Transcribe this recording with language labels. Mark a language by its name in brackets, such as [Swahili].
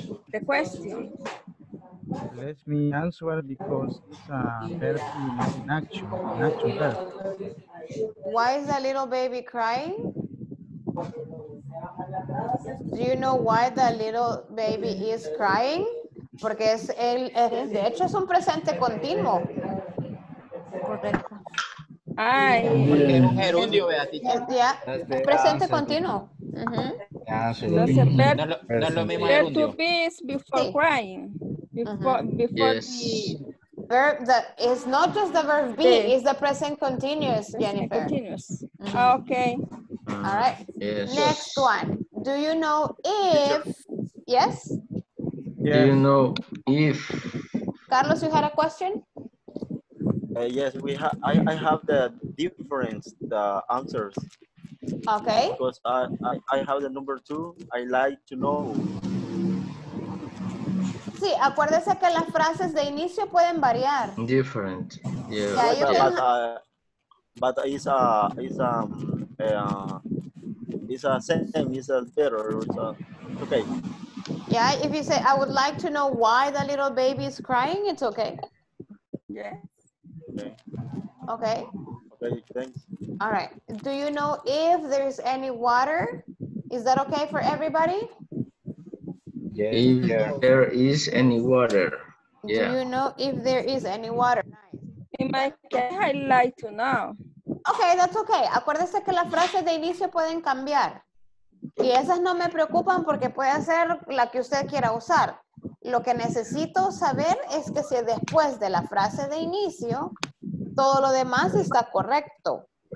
[English] The question. Let me answer because it's a verb in action, natural verb. Why is the little baby crying? Do you know why the little baby is crying? [Spanish] Porque es el, de hecho es un presente continuo. Correcto. Ay. Un gerundio, ya. Un presente continuo. No es lo mismo [English] verb to be is before crying. Before the verb that is not just the verb be, it's the present continuous, Jennifer. Continuous. Mm-hmm. Okay. All right. Yes. Next one. Do you know if, yes? Yes? Do you know if? Carlos, you had a question? Yes, we I have the difference, the answers. Okay. Because I have the number two, I like to know. [Spanish] Sí, acuérdese que las frases de inicio pueden variar. [English] Different, yeah. Yeah, but it's a, it's a same, it's a better, it's a, okay. Yeah, if you say, I would like to know why the little baby is crying, it's okay. Yeah. Okay. Okay, thanks. All right. Do you know if there's any water? Is that okay for everybody? Yeah. If there is any water. Yeah. Do you know if there is any water? In my case, I like to know. Okay, that's okay. [Spanish] Acuérdese que las frases de inicio pueden cambiar. Y esas no me preocupan porque puede ser la que usted quiera usar. Lo que necesito saber es que si después de la frase de inicio, todo lo demás está correcto.